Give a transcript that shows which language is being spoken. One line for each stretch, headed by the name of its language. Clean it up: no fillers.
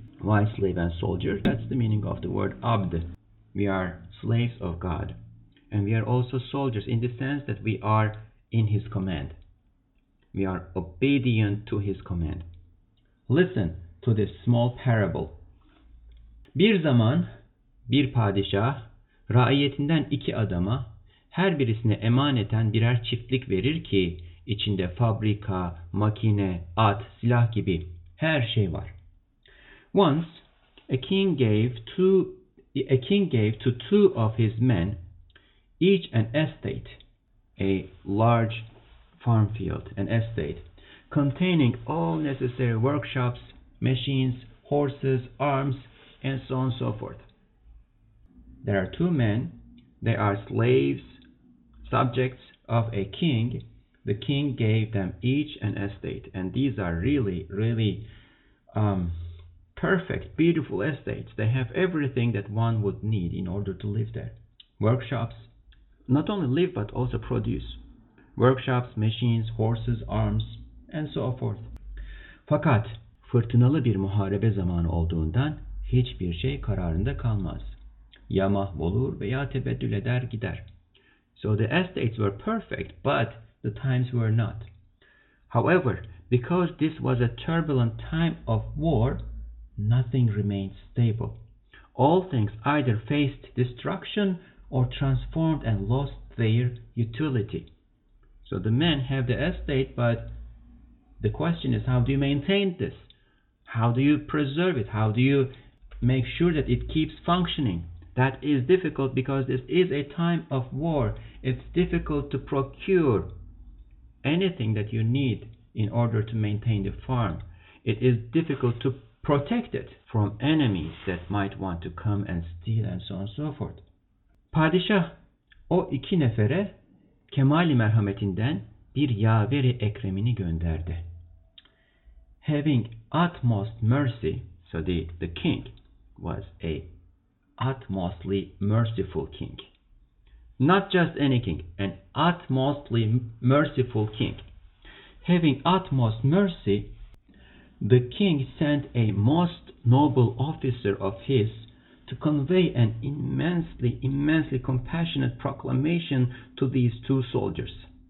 English: Why slave and soldier? That's the meaning of the word abd. We are slaves of God. And we are also soldiers in the sense that we are in his command. We are obedient to his command. Listen to this small parable.
Turkish: Bir zaman bir padişah raiyetinden iki adama her birisine emaneten birer çiftlik verir ki İçinde fabrika, makine, at, silah gibi her şey var.
English: Once a king gave to two of his men each an estate, a large farm field, an estate, containing all necessary workshops, machines, horses, arms, and so on and so forth. There are two men. They are slaves, subjects of a king. The king gave them each an estate, and these are really, really perfect, beautiful estates. They have everything that one would need in order to live there. Workshops, not only live, but also produce. Workshops, machines, horses, arms, and so forth.
Turkish: Fakat fırtınalı bir muharebe zamanı olduğundan hiçbir şey kararında kalmaz. Ya mahvolur veya tebeddül eder gider.
English: So the estates were perfect, but the times were not. However, because this was a turbulent time of war, nothing remained stable. All things either faced destruction or transformed and lost their utility. So the men have the estate, but the question is, how do you maintain this? How do you preserve it? How do you make sure that it keeps functioning? That is difficult because this is a time of war. It's difficult to procure anything that you need in order to maintain the farm. It is difficult to protect it from enemies that might want to come and steal and so on and so forth.
Turkish: Padişah o iki nefere kemali merhametinden bir yaveri ekremini gönderdi.
English: Having utmost mercy, so the king was a utmostly merciful king. Not just any king, an utmostly merciful king. Having utmost mercy, the king sent a most noble officer of his to convey an immensely, immensely compassionate proclamation to these two soldiers.